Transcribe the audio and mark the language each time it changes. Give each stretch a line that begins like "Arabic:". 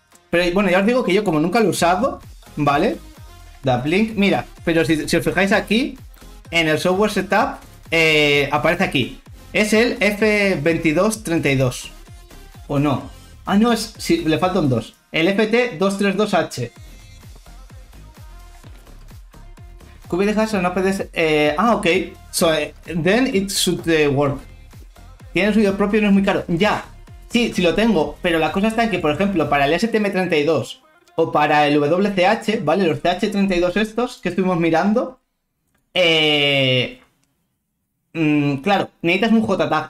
Spanish: Pero bueno, ya os digo que yo, como nunca lo he usado, ¿vale? Dublink, mira, pero si os fijáis aquí en el software setup, aparece aquí, es el F2232 o no, ah no, es sí, le faltan dos, el FT232H.
English: QBID has an OPDS, ah ok, so then it should work.
Spanish: Tiene el suyo propio, no es muy caro, ya, sí, sí lo tengo, pero la cosa está en que, por ejemplo, para el STM32 o para el WCH, ¿vale? Los CH32 estos que estuvimos mirando. Claro, necesitas un JTAG.